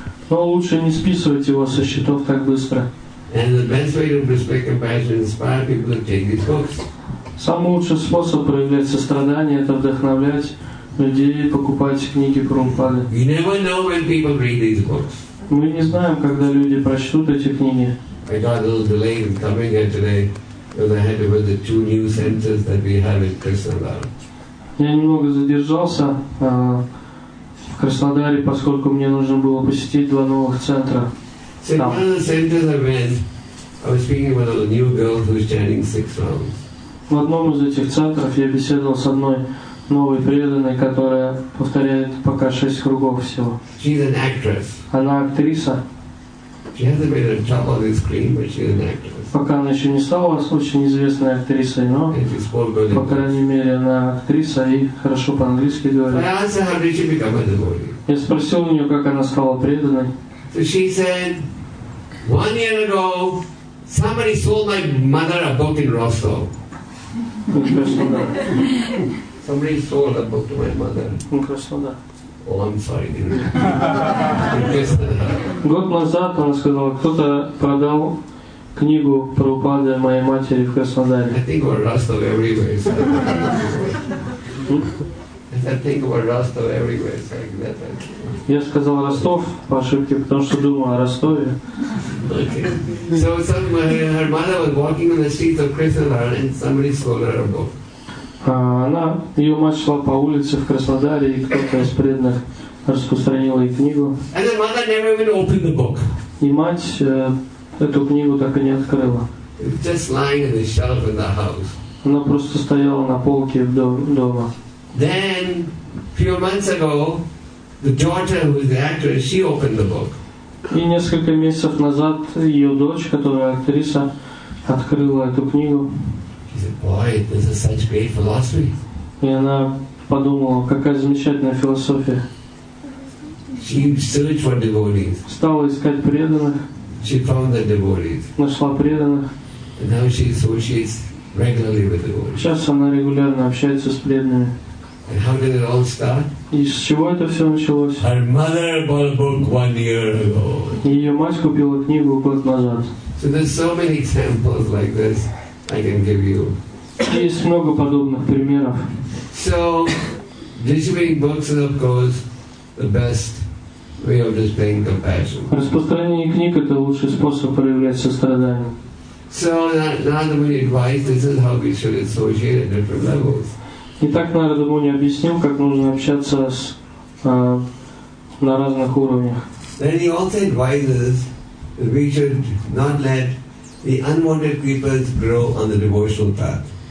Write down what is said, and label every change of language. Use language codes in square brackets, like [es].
[ru] Но лучше не списывать его со счетов так быстро. [en] And the best way to display compassion is inspire people to take these books. [ru] Самый лучший способ проявлять сострадание — это вдохновлять людей покупать книги Прабхупады. [en] We never know when people read these books. [ru] Мы не знаем, когда люди прочтут эти книги. [en] I got a little delay in coming here today because I had to visit two new centers that we have in Krishnadar. [ru] Я немного задержался в Краснодаре, поскольку мне нужно было посетить два новых центра. [en] So in one of the centers I went, I was speaking with a new girl who was chanting six rounds. [ru] В одном из этих центров я беседовал с одной новой преданной, которая повторяет пока шесть кругов всего. [en] She's an actress. [ru] Она актриса. [en] She hasn't been on top of the screen, but she's an actress. [ru] Пока она еще не стала очень известной актрисой, но по крайней мере она актриса и хорошо по-английски говорит. [en] I asked her how did she become a devotee. [ru] Я спросил у нее, как она стала преданной. [en] So she said, One year ago, somebody sold my mother a book in Rostov. Somebody sold a book to my mother. In Krasnodar. Oh, I'm sorry. In Krasnodar. [ru] Год назад он сказал, кто-то продал книгу про упады моей матери в Краснодаре. [en] I think about Ростов everywhere. [ru] Я сказал Ростов по ошибке, потому что думал о Ростове. [en] Okay. So somebody, her mother was walking on the streets of Krasnodar and somebody stole her book. [ru] Она, ее мать шла по улице в Краснодаре, и кто-то из преданных распространил ей книгу. [en] And her mother never even opened the book. [ru] И мать эту книгу так и не открыла. [en] Just lying on the shelf in the house. [ru] Она просто стояла на полке дома. [en] Then, a few months ago, the daughter who is the actress, she opened the book. [ru] И несколько месяцев назад ее дочь, которая актриса, открыла эту книгу. [en] She said, "Boy, this is such great philosophy." [ru] И она подумала, какая замечательная философия. [en] She searched for devotees. [ru] Стала искать преданных. [en] She found the devotees. [ru] Нашла преданных. [en] And now she associates regularly with devotees. [ru] Сейчас она регулярно общается с преданными. [en] And how did it all start? [ru] И с чего это все началось? [en] Her mother bought a book 1 year ago. [ru] Ее мать купила книгу год назад. [en] So there's so many examples like this I can give you. [ru] Есть много подобных примеров. [en] So distributing books is, of course, the best way of displaying compassion. [ru] Распространение книг — это лучший способ проявлять сострадание. [en] So another way to advise, this is how we should associate at different levels. [ru] Итак, Нарада Муни объяснил, как нужно общаться с, на разных уровнях. [en] Then he also advises that we should not let the unwanted creepers grow on the devotional path.